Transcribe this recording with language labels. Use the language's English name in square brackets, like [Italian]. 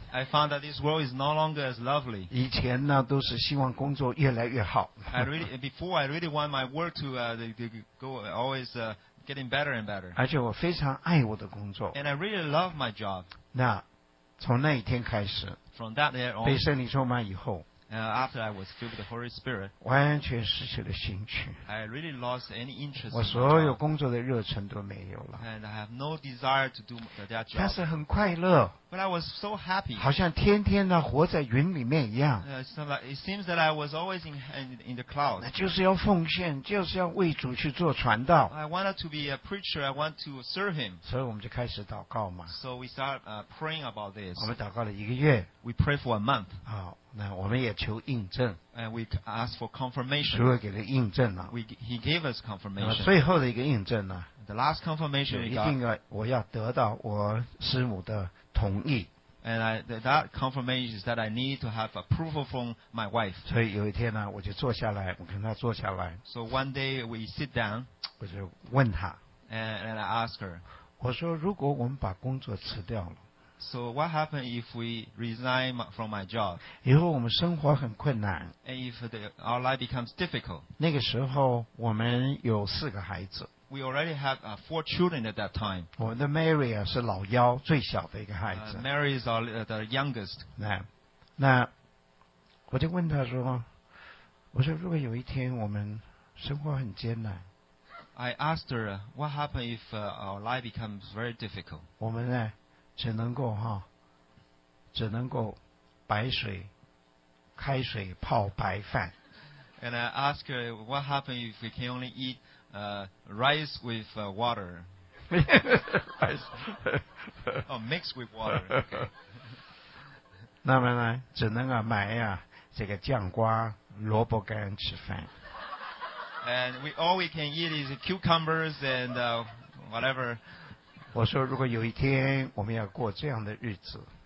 [English] I found that this world is no longer as lovely. [Chinese] 以前呢都是希望工作越来越好。 [English] I really want my work to go always getting better and better. [Chinese] 而且我非常爱我的工作。 [English] And I really love my job. [Chinese] 那从那一天开始 [English] ，From that day on, [Chinese] 被圣灵充满以后。 [English] After I was filled with the Holy Spirit, [Chinese] 完全失去了兴趣。 [English] I really lost any interest. [Chinese] 我所有工作的热忱都没有了。 [English] And I have no desire to do that job. [Chinese] 但是很快乐。 [English] But I was so happy. [Chinese] 好像天天呢活在云里面一样。 [English] It seems that I was always in the clouds. [Chinese] 那就是要奉献，就是要为主去做传道。 [English] I wanted to be a preacher. I want to serve Him. [Chinese] 所以我们就开始祷告嘛。 [English] So we start praying about this. [Chinese] 我们祷告了一个月。 [English] We pray for a month. [Chinese] 好。那我们也求印证。 [English] And we ask for confirmation. [Chinese] 主也给了印证了。 [English] He gave us confirmation. [Chinese] 最后的一个印证呢 [English] ？The last confirmation. [Chinese] 一定要我要得到我师母的同意。 [English] And that confirmation is that I need to have approval from my wife. [Chinese] 所以有一天呢，我就坐下来，我跟她坐下来。 [English] So one day we sit down. [Chinese] 我就问她。 [English] And I ask her. [Chinese] 我说如果我们把工作辞掉了。 [English] So what happened if we resign from my job? [Chinese] 以后我们生活很困难。 [English] And if our life becomes difficult. [Chinese] 那个时候我们有四个孩子。 [English] We already have four children at that time. [Chinese] 我们的 Mary 是老幺，最小的一个孩子。 [English] Mary is our the youngest. [Chinese] 那我就问他说，我说如果有一天我们生活很艰难。 [English] I asked her what happened if our life becomes very difficult. [Chinese] 我们呢？只能够哈，只能够白水开水泡白饭。 [English] And I ask her what happened if we can only eat rice with water. Rice. Oh, mixed with water. [Chinese] 那么呢，只能啊买啊这个酱瓜、萝卜干吃饭。 [English] And all we can eat is cucumbers and whatever. [Chinese] 我说如果有一天我们要过这样的日子